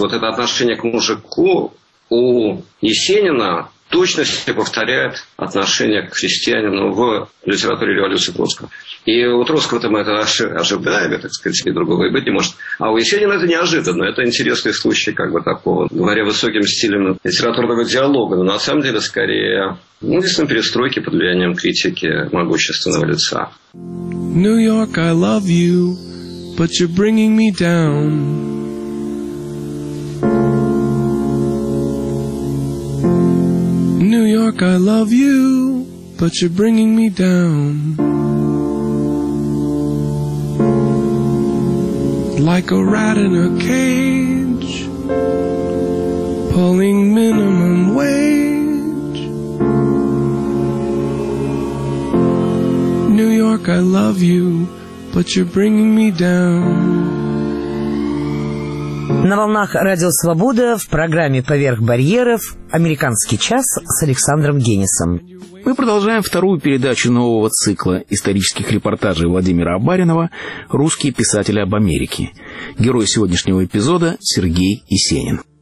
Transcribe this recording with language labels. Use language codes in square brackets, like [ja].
[ru] Вот это отношение к мужику у Есенина точности повторяет отношение к христианину в литературе революции Троцкого. И у Троцкого-то мы это ожидаем, так сказать, и другого и быть не может. А у Есенина это неожиданно. Это интересный случай, как бы такого, говоря высоким стилем литературного диалога. Но на самом деле, скорее, единственное, перестройки под влиянием критики могущественного лица. [en] Нью-Йорк, I love you, but you're bringing me down. New York, I love you, but you're bringing me down. Like a rat in a cage, pulling minimum wage. New York, I love you, but you're bringing me down. [ru] На волнах «Радио Свобода» в программе «Поверх барьеров» «Американский час» с Александром Генисом. Мы продолжаем вторую передачу нового цикла исторических репортажей Владимира Абаринова «Русские писатели об Америке». Герой сегодняшнего эпизода – Сергей Есенин.